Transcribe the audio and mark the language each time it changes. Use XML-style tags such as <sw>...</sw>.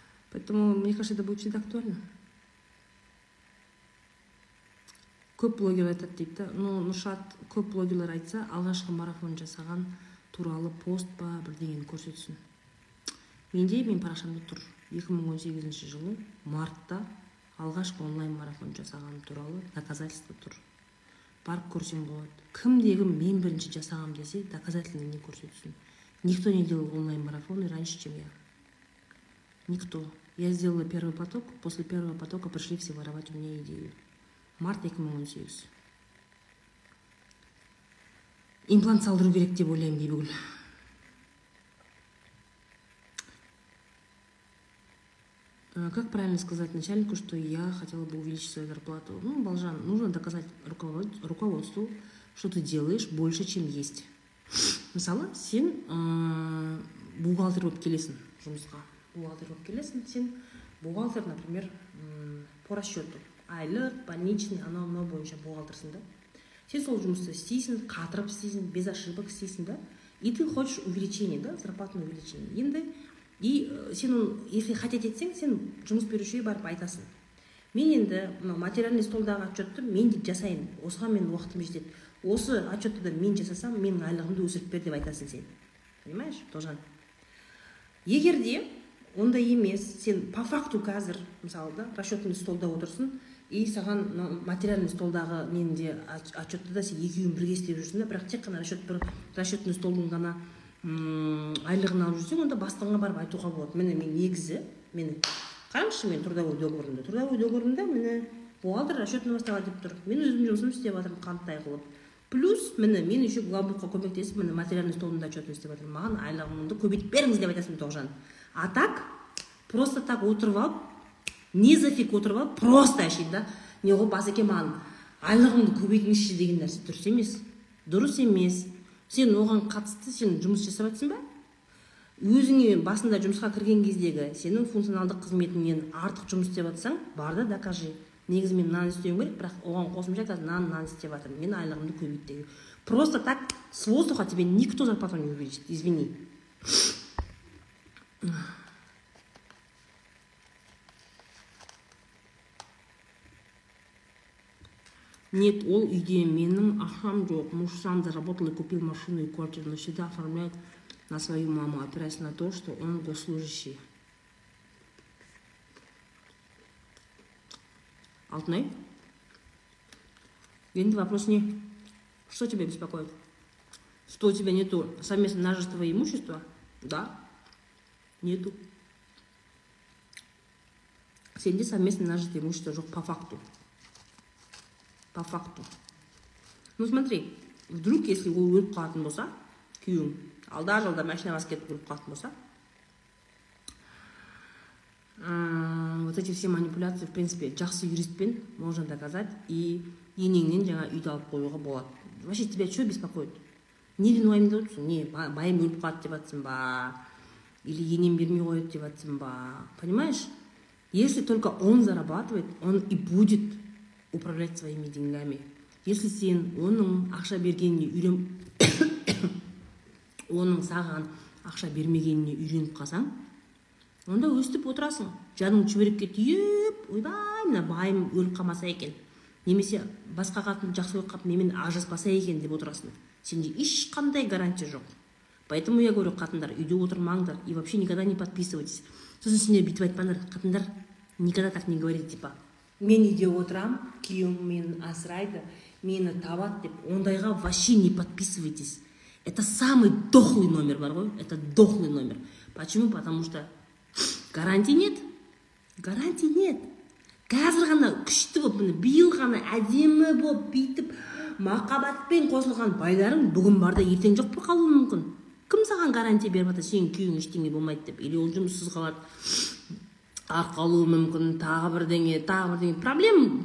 <ru>Поэтому, мне кажется, это будет всегда актуально.</ru> <kk>Көп блогер айтады дейді, но Нұршат көп блогерлер айтса, алғашқы марафон жасаған туралы пост па бір деген көрсетсін. Менде, мен парақшамда тұр, 2018 жылы мартта алғашқы онлайн марафон жасаған туралы доказательство тұр. Барып көрсең болады. Кімдегі мен бірінші жасағам десе, доказательно не көрсетсін.</kk> <ru>Никто не делал онлайн-марафоны раньше, чем я. Никто. Я сделала первый поток, после первого потока пришли все воровать у меня идею. Март 2018.</ru> <kk>Имплант салдыру керек деп ойлаймын дейді бүгін.</kk> <ru>Как правильно сказать начальнику, что я хотела бы увеличить свою зарплату? Ну, Балжан, нужно доказать руководству, что ты делаешь больше, чем есть.</ru> <kk>Мысалы, сен бухгалтер болып келесің жұмысқа. Бухгалтер болып келесің, сен бухгалтер,</kk> <ru>например, по расчету.</ru> <kk>Айлық, больничный, анау-мынау бойынша бухгалтерсің, да? Сен сол жұмысты істейсің, қатырып істейсің,</kk> <ru>без ошибок</ru> <kk>істейсің, да?</kk> <ru>И ты хочешь увеличение, да, зарплатное увеличение.</ru> <kk>Енді и сен оны,</kk> <ru>если хотеть</ru> <kk>етсең, сен жұмыс берушіге барып айтасың. Мен енді мына материальный столдағы отчетті мен де жасайын. Осыған мен уақытым жетеді. Осы отчетті де мен жасасам, менің айлығымды өсіріп бер деп айтасың сен.</kk> <ru>Понимаешь,</ru> <kk>Тожан? Егер де онда емес, сен</kk> <ru>по факту</ru> <kk>қазір, мысалы да, расчетный столда отырсың, И саған материалдың столдағы менде отчетті да сен екеуін бірге істеп жүрсің да, бірақ тек қана расчетный столдың ғана айлығын алып жүрсең, онда бастығыңа барып айтуға болады. Міне, мен негізі, мені қараңызшы, мен трудовой договорымда. Трудовой договорымда міне бухгалтер расчетный басталады деп тұр. Мен өзім жұмысым істеп жатырмын қанттай қылып. Плюс міне мен еще главбухқа көмектесіп, міне материалдың столында отчетын істеп жатырмын. Маған айлығымды көбейтіп беріңіз деп айтасың, Тоғжан.</kk> <ru>А так, просто так</ru> <kk>отырып алып, не зафиг отырып алып, просто әшейін да, не ғой басеке маған айлығыңды көбейтіңізші деген нәрсе дұрыс емес. Дұрыс емес. Сен оған қатысты сен жұмыс жасап жатсың ба? Өзіңе басында жұмысқа кірген кездегі сенің функционалдық қызметіңнен артық жұмыс істеп жатсаң, бар да докажи. Негізі мен мынаны істеуім керек, бірақ оған қосымша айтады, мынаны істеп жатырмын, мен айлығымды көбейт деген.</kk> <ru>Просто так с воздуха тебе никто зарплату не увеличит, извини.</ru> <kk>Нет, ол үйде менің ақшам жоқ.</kk> <ru>Мужсам заработал и купил машину и квартиру, но всегда оформляет на свою маму, опираясь на то, что он госслужащий.</ru> <kk>Алтынай?</kk> <ru>Енді вопрос не? Что тебя беспокоит? Что у тебя нету совместного нажитого имущества? Да. Нету.</ru> <kk>Сенде</kk> <ru>совместного нажитого имущества</ru> <kk>жоқ по факту.</kk> <ru>По факту. Ну смотри, вдруг если</ru> <kk>ол өліп қалатын болса, күйеуім, алда жолда машина басып кетіп өліп қалатын болса,</kk> <ru>вот эти все манипуляции, в принципе,</ru> <kk>жақсы юристпен</kk> <ru>можно доказать,</ru> <kk>и енеңнен жаңа үйді алып қоюға болады.</kk> <ru>Вообще тебя что беспокоит?</ru> <kk>Неден уайым деп отырсың? Не, байым өліп қалады деп отырсың ба? Или енем бермей қояды деп отырсың ба?</kk> <ru>Понимаешь? Если только он зарабатывает, он и будет управлять своими деньгами.</ru> <kk>Если сен оның ақша бергеніне үйреніп, оның саған ақша бермегеніне үйреніп қалсаң, онда өстіп отырасың. Жаның шүберекке түйіп, ойбай, мына байым өліп қалмаса екен. Немесе басқа қатын жақсы болып қап, менімен ажыраспаса екен деп отырасың. Сенде ешқандай гарантия жоқ.</kk> <ru>Поэтому я говорю,</ru> <kk>қатындар, үйде отырмаңдар</kk> <ru>и вообще никогда не подписывайтесь.</ru> <kk>Сосын сендер бүйтіп айтпаңдар, қатындар,</kk> <ru>никогда так не говорите, типа.</ru> <kk>Мен үйде отырам, күйеуім мені асырайды, мені табады деп, ондайға</kk> <ru>вообще не подписывайтесь. Это самый дохлый номер</ru> <kk>бар ғой,</kk> <ru>это дохлый номер. Почему? Потому что гарантии нет. Гарантии нет.</ru> <kk>Қазір ғана күшті боп, биыл ғана әдемі боп, бүйтіп, махаббатпен қосылған байларың бүгін барда ертең жоқ болып қалуы мүмкін. Кім саған гарантия беріп жатыр, сенің күйеуің ештеңе болмайды деп, или ол жұмыссыз қалады. Ақалуы мүмкін, тағы бірдеңе, тағы бірдеңе.</kk>